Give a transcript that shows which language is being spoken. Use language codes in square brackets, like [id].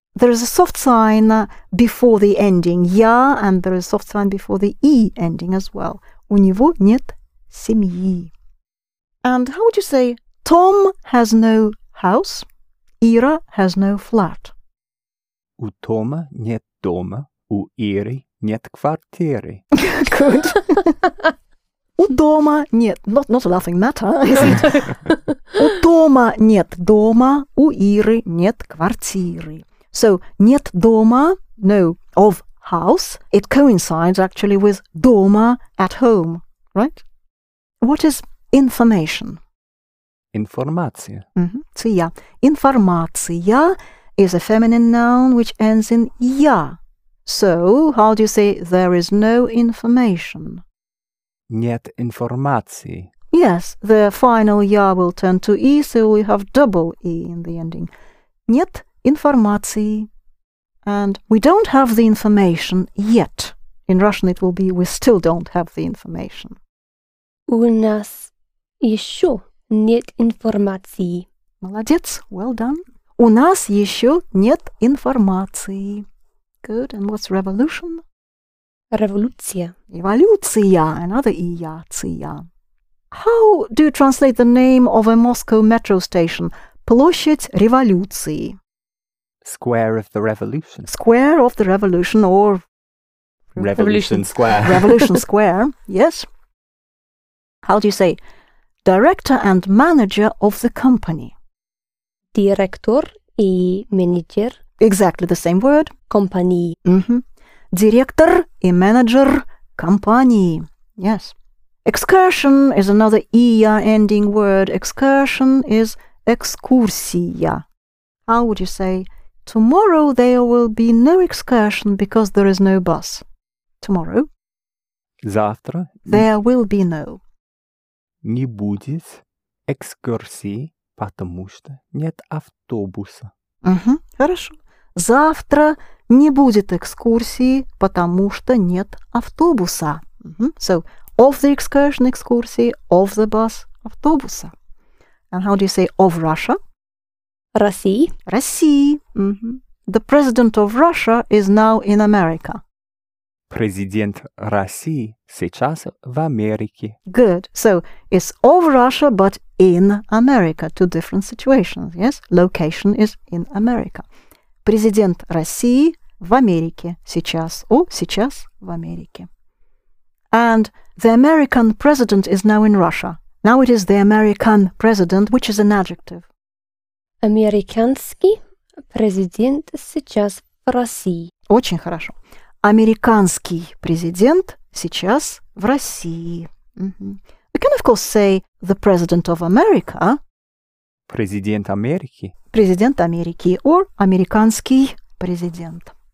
[en] there is a soft sign before the ending «я», and there is a soft sign before the «и» ending as well. [ru] У него нет семьи. [en] And how would you say «Tom has no house, Ira has no flat»? [ru] У Тома нет дома, у Иры нет квартиры. [en] Good. [ru] У дома нет... [en] Not a laughing matter, is it? [ru] У Тома нет дома, у Иры нет квартиры. [en] So, [ru] нет дома, [en] no, of house, it coincides actually with дома, at home, right? What is information? [ru] Информация. Ция. Информация [en] is a feminine noun which ends in «я». So, how do you say there is no information? [ru] Нет информации. [en] Yes, the final «я» will turn to «и», so we have double «и» in the ending. [ru] Нет информации. [en] And we don't have the information yet. In Russian it will be «we still don't have the information». [ru] У нас еще нет информации. Молодец, [en] well done. [ru] У нас еще нет информации. [en] Good, and what's revolution? [ru] Революция. Эволюция, [en] another ИЯ-ция. How do you translate the name of a Moscow metro station? [ru] Площадь революции. [en] Square of the revolution. Square of the revolution, or... Revolution Square. Revolution Square, yes. How do you say? Director and manager of the company. [ru] Директор и менеджер. [en] Exactly the same word. [ru] Компании. Директор и менеджер компании. [en] Yes. Excursion is another ия ending word. Excursion is экскурсия. How would you say, tomorrow there will be no excursion because there is no bus? Tomorrow. [ru] Завтра. [en] There will be no. [ru] Не будет экскурсии, потому что нет автобуса. Хорошо. Завтра не будет экскурсии, потому что нет автобуса. [en] So, of the excursion, экскурсии, of the bus, автобуса. And how do you say of Russia? [ru] России. России. [en] The president of Russia is now in America. [ru] Президент России сейчас в Америке. [en] Good. So, it's of Russia, but in America. Two different situations, yes? Location is in America. [ru] Президент России в Америке сейчас. О, сейчас в Америке. [en] And the American president is now in Russia. Now it is the American president, which is an adjective. [ru] Американский президент сейчас в России. Очень хорошо. Американский президент сейчас в России. [en] We can, of course, say the president of America. [ru] Президент Америки. Президент Америки, [en] or [ru] американский президент.